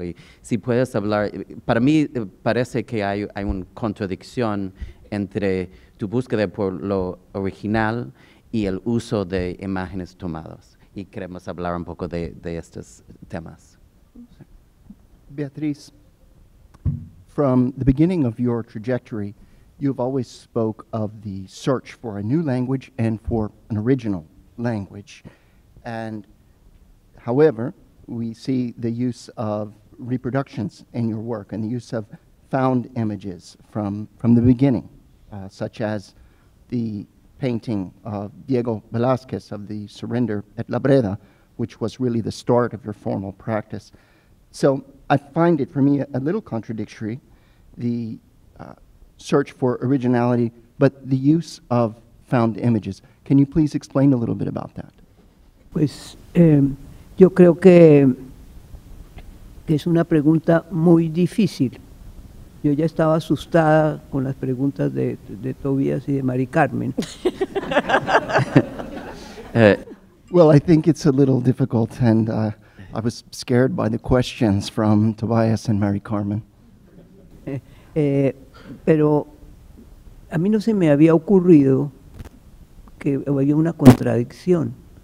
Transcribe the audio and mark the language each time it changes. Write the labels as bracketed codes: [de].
[es] Y si puedes hablar, para mí parece que hay una contradicción entre tu búsqueda por lo original y el uso de imágenes tomadas. Y queremos hablar un poco de estos temas. [en] Beatriz, from the beginning of your trajectory, you've always spoke of the search for a new language and for an original language. And however, we see the use of reproductions in your work and the use of found images from the beginning, such as the painting of Diego Velázquez of the surrender at La Breda, which was really the start of your formal practice. So I find it, for me, a little contradictory, the search for originality, but the use of found images. Can you please explain a little bit about that? [es] Pues, yo creo que es una pregunta muy difícil. Yo ya estaba asustada con las preguntas de Tobias y de Mari Carmen. [en] Well, I think it's a little difficult, and I was scared by the questions from Tobias and Mari Carmen. [es] Pero a mí no se me había ocurrido que había una contradicción.